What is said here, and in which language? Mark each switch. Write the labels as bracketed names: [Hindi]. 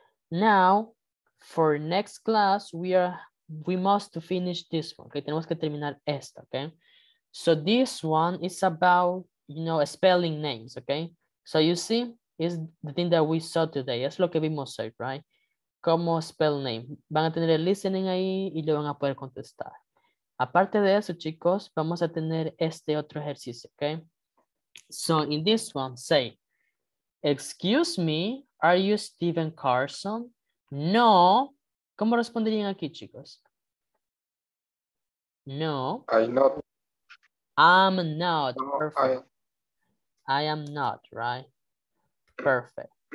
[English] Now, for next class, we must finish this one. Okay, [Spanish] tenemos que terminar esta, [English] okay? So this one is about, you know, spelling names, okay? So you see, is the thing that we saw today. [Spanish] Es lo que vimos hoy, right? Como spell name. Van a tener el listening ahí y lo van a poder contestar. Aparte de eso, chicos, vamos a tener este otro ejercicio, okay? [English] So in this one, say, excuse me, are you Steven Carson? [Spanish] No. ¿Cómo responderían aquí, chicos? [English] No. I'm not. I'm not. No, perfect. I am not, right? Perfect.